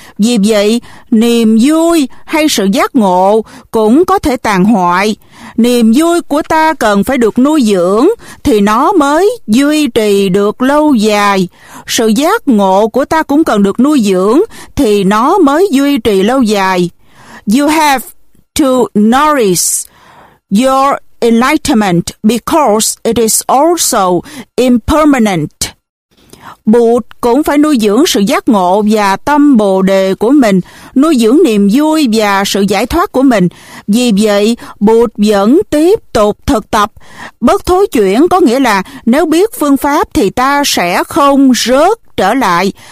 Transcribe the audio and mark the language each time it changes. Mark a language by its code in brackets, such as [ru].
[vi] Vì vậy, niềm vui hay sự giác ngộ cũng có thể tàn hoại. Niềm vui của ta cần phải được nuôi dưỡng thì nó mới duy trì được lâu dài. Sự giác ngộ của ta cũng cần được nuôi dưỡng thì nó mới duy trì lâu dài. [en] You have to nourish your enlightenment because it is also impermanent. [vi] Bụt cũng phải nuôi dưỡng sự giác ngộ và tâm bồ đề của mình, nuôi dưỡng niềm vui và sự giải thoát của mình. Vì vậy, Bụt vẫn tiếp tục thực tập. Bất thối chuyển có nghĩa là nếu biết phương pháp thì ta sẽ không rớt trở lại.